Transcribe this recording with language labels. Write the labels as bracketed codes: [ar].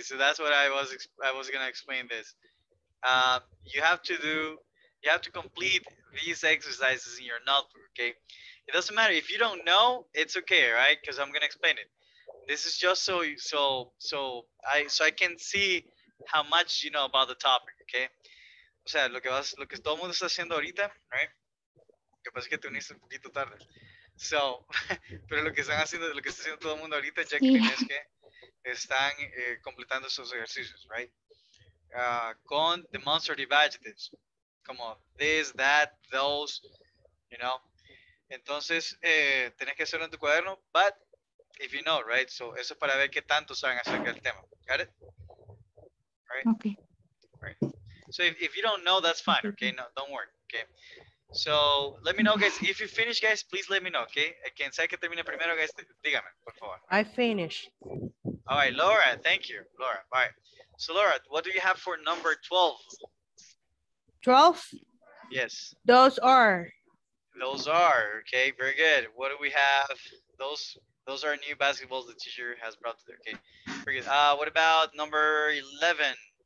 [en] So that's what I was gonna explain this. You have to complete these exercises in your notebook. Okay, it doesn't matter if you don't know. It's okay, right? Because I'm gonna explain it. This is just so I can see how much you know about the topic, okay? [es] O sea, lo que todo el mundo está haciendo ahorita, right? Lo que pasa es que te uniste un poquito tarde. So, pero lo que está haciendo todo el mundo ahorita, Jacqueline, yeah. Es que están completando esos ejercicios, right? [en] Con demonstrative adjectives, como this, that, those, you know? [es] Entonces, tenés que hacerlo en tu cuaderno, [en] but if you know, right? [es] So, eso es para ver qué tanto saben acerca del tema. [en] Got it? All right? Okay. So if you don't know, that's fine. Okay, no, don't worry. Okay. So let me know, guys. If you finish, guys, please let me know. Okay. [es] Quien sea que termine primero, guys, dígame, por favor. [en] I finish. All right, Laura, thank you, Laura. All right. So Laura, what do you have for number 12? 12? Yes. Those are. Those are, okay, very good. What do we have? Those are new basketballs the teacher has brought to there. Okay, very good. What about number 11?